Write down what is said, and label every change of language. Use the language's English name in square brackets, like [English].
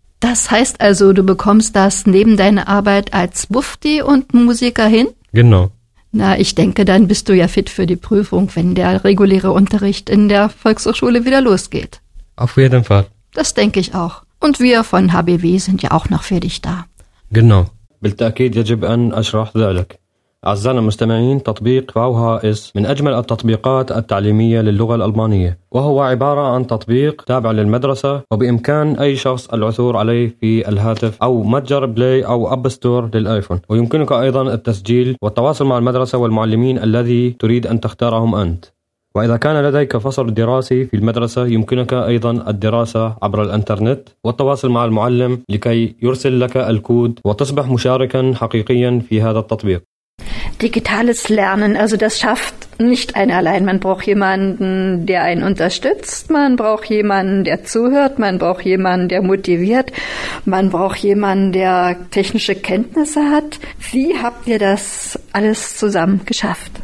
[German] Das heißt also, du bekommst das neben deiner Arbeit als Bufdi und Musiker hin? Genau. Na, ich denke, dann bist du ja fit für die Prüfung, wenn der reguläre Unterricht in der Volkshochschule wieder losgeht. Auf jeden Fall. Das denke ich auch. Und wir von HBW sind ja auch noch für dich da. Genau. [Arabic] بالتأكيد يجب أن أشرح ذلك. أعزائنا المستمعين، تطبيق VHS من أجمل التطبيقات التعليمية للغة الألمانية، وهو عبارة عن تطبيق تابع للمدرسة وبإمكان أي شخص العثور عليه في الهاتف أو متجر بلاي أو أب ستور للآيفون، ويمكنك أيضا التسجيل والتواصل مع المدرسة والمعلمين الذي تريد أن تختارهم أنت. وإذا كان لديك فصل دراسي في المدرسة يمكنك أيضا الدراسة عبر الأنترنت والتواصل مع المعلم لكي يرسل لك الكود وتصبح مشاركا حقيقيا في هذا التطبيق. [German] Digitales Lernen, also das schafft nicht einer allein. Man braucht jemanden, der einen unterstützt. Man braucht jemanden, der zuhört. Man braucht jemanden, der motiviert. Man braucht jemanden, der technische Kenntnisse hat. Wie habt ihr das alles zusammen geschafft?